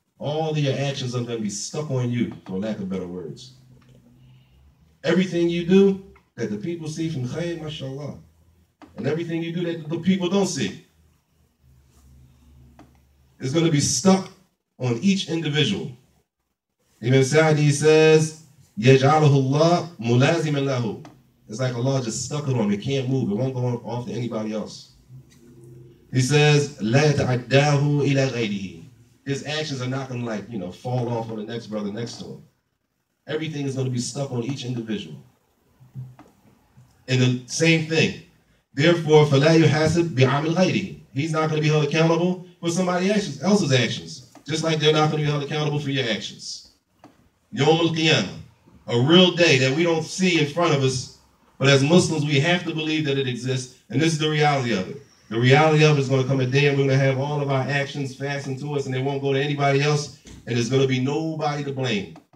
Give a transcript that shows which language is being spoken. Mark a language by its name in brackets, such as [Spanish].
[English] All of your actions are going to be stuck on you, for lack of better words. Everything you do that the people see from khayr, mashallah. And everything you do that the people don't see is going to be stuck on each individual. Imam Sa'di says, [Arabic] يَجْعَلَهُ اللَّهُ مُلَازِمًا لَهُ. [English] It's like Allah just stuck it on me. It can't move. It won't go off to anybody else. He says, [Arabic] لَا يَتَعَدَّاهُ إِلَى غَيْرِهِ. [English] His actions are not going to, like, you know, fall off on the next brother next to him. Everything is going to be stuck on each individual. And the same thing. Therefore, [Arabic] فَلَا يُحَاسِبْ بِعَمِ الْغَيْرِهِ. [English] He's not going to be held accountable for somebody else's actions. Just like they're not going to be held accountable for your actions. Yawm al-Qiyamah, a real day that we don't see in front of us, but as Muslims, we have to believe that it exists, and this is the reality of it. The reality of it is going to come a day, and we're going to have all of our actions fastened to us, and they won't go to anybody else, and there's going to be nobody to blame.